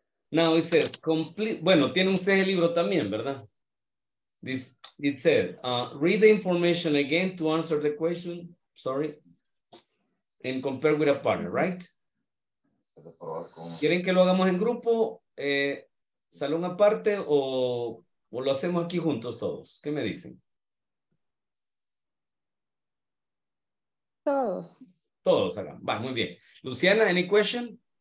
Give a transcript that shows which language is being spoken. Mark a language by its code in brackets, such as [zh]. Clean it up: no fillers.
[en] Now it says, [es] bueno, tienen ustedes el libro también, ¿verdad? [en] It said, read the information again to answer the question, and compare with a partner, right? [es] ¿Quieren que lo hagamos en grupo, salón aparte, o lo hacemos aquí juntos todos? ¿Qué me dicen? Todos hagan. Va, muy bien. Luciana, [en] any question?